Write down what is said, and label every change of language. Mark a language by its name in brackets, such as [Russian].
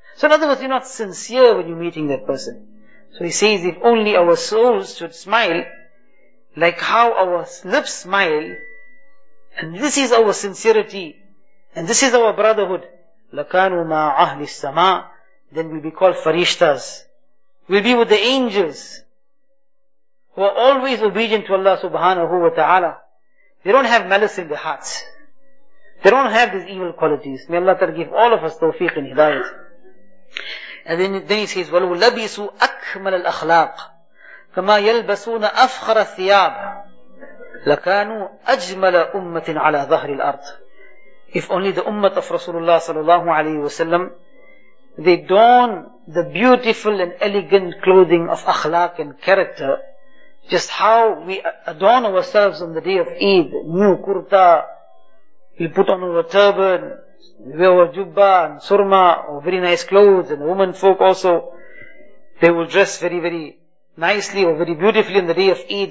[English] So in other words, you're not sincere when you're meeting that person. So he says, if only our souls should smile, like how our lips smile, and this is our sincerity, and this is our brotherhood, [Arabic] لَكَانُوا مَا أَهْلِ السَّمَاءِ. [English] Then we'll be called farishtas. We'll be with the angels, who are always obedient to Allah subhanahu wa ta'ala. They don't have malice in their hearts. They don't have these evil qualities. May Allah give all of us tawfiq and hidayat. And then he says, [Arabic] وَلُوْ لَبِسُوا أَكْمَلَ الْأَخْلَاقِ كَمَا يَلْبَسُونَ أَفْخَرَ الثِّيَابِ لَكَانُوا أَجْمَلَ أُمَّةٍ عَلَىٰ ظَهْرِ الْأَرْضِ. [English] If only the ummah of Rasulullah sallallahu alayhi wa sallam, they don the beautiful and elegant clothing of akhlaq and character, just how we adorn ourselves on the day of Eid, new kurta, we put on our turban, we wear our jubbah and surma, or very nice clothes, and women folk also, they will dress very, very nicely or very beautifully on the day of Eid.